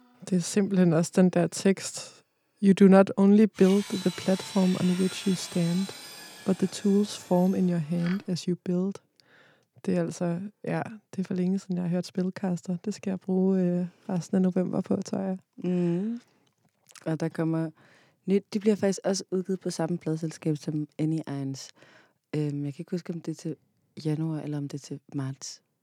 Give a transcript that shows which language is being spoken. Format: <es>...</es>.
<da>Det er simpelthen også den der tekst.</da> <en>You do not only build the platform on which you stand, but the tools form in your hand as you build.</en> <da>Det er altså, ja, det er for længe siden, jeg har hørt Spadkaster. Det skal jeg bruge resten af november på, tror jeg. Mm. Og der kommer nyt. De bliver faktisk også udgivet på samme pladselskab som Any Irons. Jeg kan ikke huske, om det er til januar eller om det er til marts.</da>